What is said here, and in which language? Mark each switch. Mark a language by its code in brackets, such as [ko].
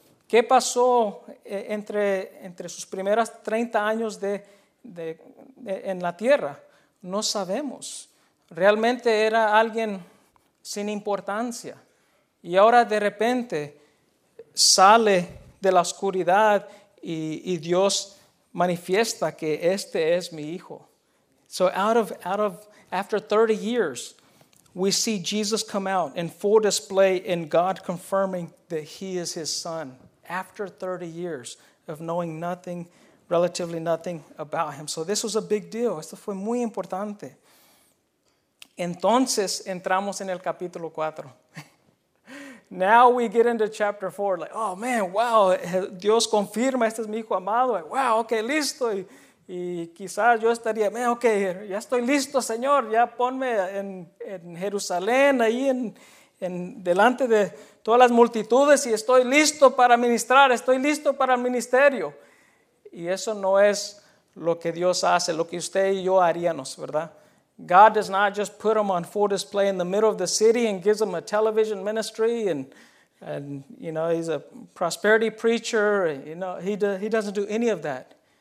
[es] ¿Qué pasó entre sus primeros 30 años de en la tierra? No sabemos. Realmente era alguien sin importancia. Y ahora de repente sale de la oscuridad y Dios manifiesta que este es mi Hijo. [en] So after 30 years, we see Jesus come out in full display in God confirming that he is his Son. After 30 years of knowing nothing, relatively nothing about him. So this was a big deal. [es] Esto fue muy importante. Entonces entramos en el capítulo 4. [en] Now we get into chapter 4. Like, oh man, wow, [es] Dios confirma, este es mi Hijo amado. [en] Like, wow, okay, [es] listo. Y quizás yo estaría, man, okay, ya estoy listo, Señor. Ya ponme en Jerusalén, ahí en delante de todas las multitudes y estoy listo para ministrar, estoy listo para el ministerio. Y eso no es lo que Dios hace, lo que usted y yo haríamos, ¿verdad? [en] God does not just put him on full display in the middle of the city and gives him a television ministry and you know, he's a prosperity preacher. You know, he doesn't do any of that.